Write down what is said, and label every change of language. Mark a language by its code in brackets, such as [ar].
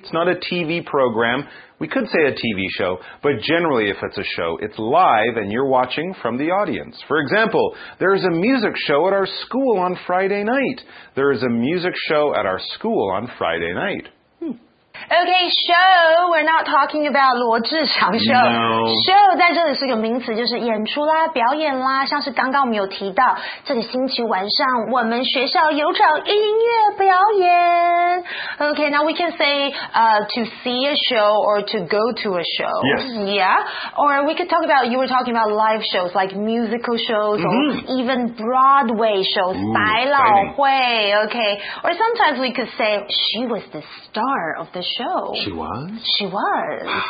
[en] It's not a TV program. We could say a TV show, but generally if it's a show, it's live and you're watching from the audience. For example, there is a music show at our school on Friday night. There is a music show at our school on Friday night. Okay, show, we're not talking about 罗志祥 show. No. [zh] Show 在这里是个名词，就是演出啦，表演啦，像是刚刚我们有提到，这个星期晚上我们学校有场音乐表演。 [en] Okay, now we can say to see a show or to go to a show. Yes. Yeah, or we could talk about, you were talking about live shows, like musical shows, mm-hmm. or even Broadway shows, 百老汇 okay. Or sometimes we could say, she was the star of the show. She was.